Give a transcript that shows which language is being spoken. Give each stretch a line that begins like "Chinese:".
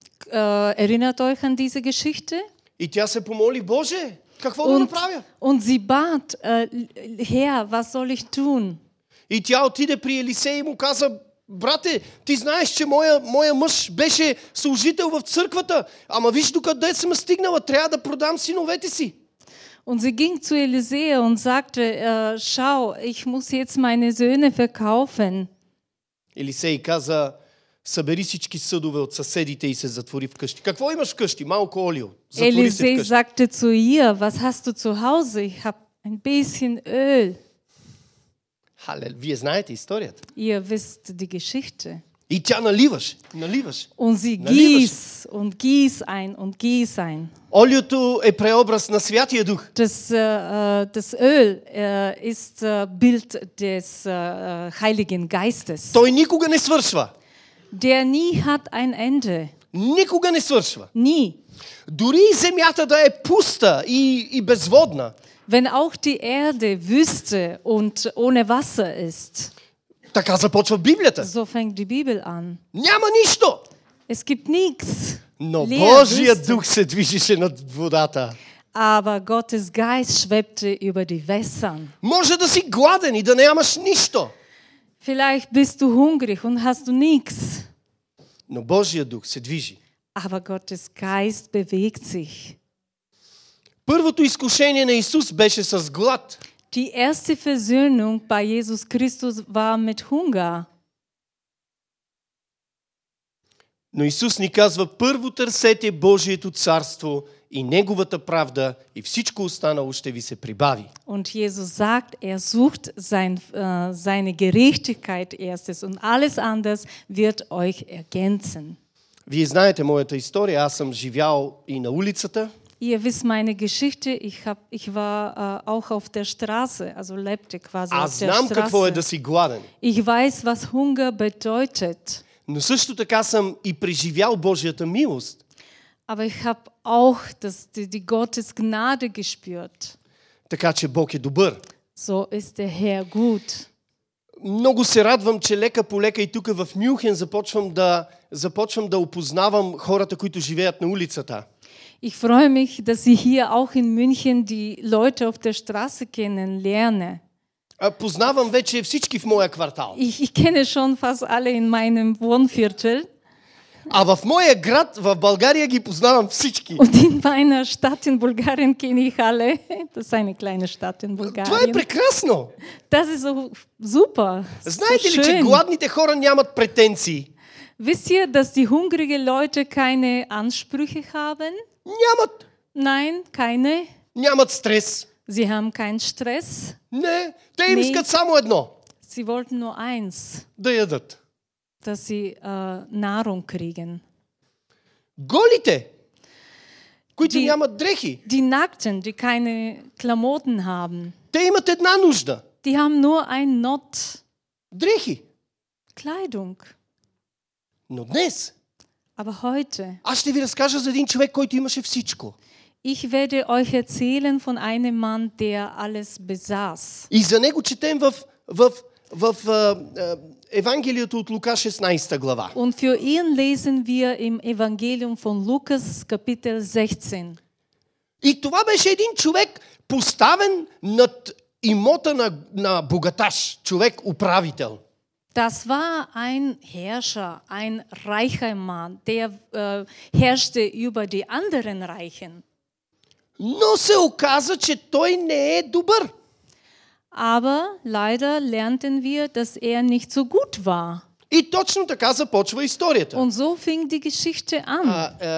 German: erinnert euch an diese Geschichte?
Bulgarian: И тя се помоли, Боже, какво да направя?
German: Und sie bat, Herr, was soll ich tun?
Bulgarian: И тя отиде при Елисей и му каза, брате, ти знаеш, че моя мъж беше служител в църквата, ама виж докъде съм стигнала, трябва да продам синовете си.
German: Und sie ging zu Elisee und sagte, schau, ich muss jetzt meine Söhne verkaufen.
Bulgarian: Елисей каза, събери всички съдове от съседите и се затвори в къщи. Какво имаш в къщи? Малко олио.
German: Елисей sagte zu ihr, was hast du zu Hause? Ich hab ein bisschen Öl.
Bulgarian: Halleluja, вие знаете историята.
German: Ihr wisst die Geschichte.
Bulgarian: И тя наливаш, наливаш.
German: Und sie gieß und gieß ein und gieß ein.
Bulgarian: Олиото е преобраз на Святия Дух.
German: Das Öl ist Bild des Heiligen Geistes.
Bulgarian: Той никога не свършва.
German: Der nie hat ein Ende.
Bulgarian: Никога не свършва.
German: Nie.
Bulgarian: Дори земята да е пуста и безводна.
German: Wenn auch die Erde Wüste und ohne Wasser ist.
Bulgarian: Така започва Библията.
German: So fängt die Bibel an.
Bulgarian: Няма нищо.
German: Es gibt nichts.
Bulgarian: Но Божия Дух се движеше над водата.
German: Aber Gottes Geist schwebte über die Wässern.
Bulgarian: Може да си гладен и да нямаш нищо.
German: Vielleicht bist du hungrig und hast du nichts.
Bulgarian: Но Божия Дух се движи.
German: Aber Gottes Geist bewegt sich.
Bulgarian: Първото изкушение на Исус беше с глад.
German: Die erste Versöhnung bei Jesus Christus war mit Hunger.
Bulgarian: Но Исус ни казва, първо търсете Божието царство и Неговата правда и всичко останало ще ви се прибави.
German: Und Jesus sagt, er sucht seine Gerechtigkeit erstes und alles anders wird euch ergänzen.
Bulgarian: Вие знаете моята история, аз съм живял и на улицата.
German: Ihr wisst meine Geschichte, ich war auch auf der Straße, also lebte quasi auf der Straße.
Bulgarian: Аз знам какво е да си гладен.
German: Ich weiß, was Hunger bedeutet.
Bulgarian: Но също така съм и преживял Божията милост.
German: Aber ich habe auch die Gottes Gnade gespürt.
Bulgarian: Така че Бог е добър.
German: So ist der Herr gut.
Bulgarian: Много се радвам, че лека по лека и тук в Мюнхен започвам да опознавам хората, които живеят на улицата.
German: Ich freue mich, dass ich hier auch in München die Leute auf der Straße kennenlerne.
Bulgarian: Познавам вече всички в моя квартал.
German: Ich kenne schon fast alle in meinem Wohnviertel.
Bulgarian: А в моя град, в България, ги познавам всички.
German: Und in meiner Stadt in Bulgarien kenne ich alle. Das ist eine kleine Stadt in Bulgarien.
Bulgarian: Това е прекрасно.
German: Das ist so super.
Bulgarian: Знаете
German: so
Bulgarian: ли, че гладните хора нямат претенции?
German: Wisst ihr, dass die hungrigen Leute keine Ansprüche haben?
Bulgarian: Нямат.
German: Nein, keine.
Bulgarian: Нямат стрес.
German: Sie haben keinen Stress.
Bulgarian: Не, те им искат само едно.
German: Sie wollten nur eins.
Bulgarian: Да ядат.
German: Dass sie Nahrung kriegen.
Bulgarian: Голите, които нямат дрехи.
German: Die Nackten, die keine Klamotten haben.
Bulgarian: Те имат една нужда.
German: Die haben nur ein Not.
Bulgarian: Дрехи.
German: Kleidung.
Bulgarian: Но днес.
German: Aber heute.
Bulgarian: Аз ще ви разкажа за един човек, който имаше всичко.
German: Ich werde euch erzählen von einem Mann, der alles besaß.
Bulgarian: И за него четем в Евангелието от Лука 16 глава.
German: Und für ihn lesen wir im Evangelium von Lukas Kapitel 16.
Bulgarian: И това беше един човек поставен над имота на богаташ, човек управител.
German: Das war ein Herrscher, ein reicher Mann, der herrschte über die anderen Reichen.
Bulgarian: Но се оказа, че той не е добър.
German: Aber leider lernten wir, dass er nicht so gut war.
Bulgarian: И точно така започва историята.
German: Und so fing die Geschichte an.